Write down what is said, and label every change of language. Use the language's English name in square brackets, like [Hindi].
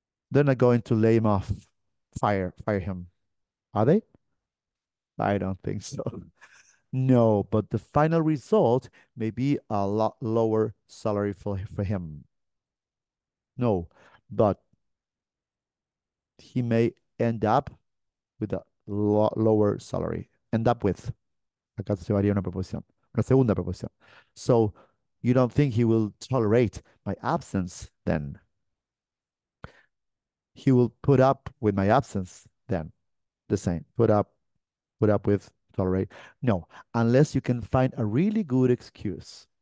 [English] They're not going to lay him off. Fire him. Are they? I don't think so. No, but the final result may be a lot lower salary for him. No, but he may end up with a lot lower salary. End up with. [Spanish] Acá se varía una proposición, una segunda proposición. [English] So you don't think he will tolerate my absence then? He will put up with my absence then. The same. Put up with, tolerate. No, unless you can find a really good excuse.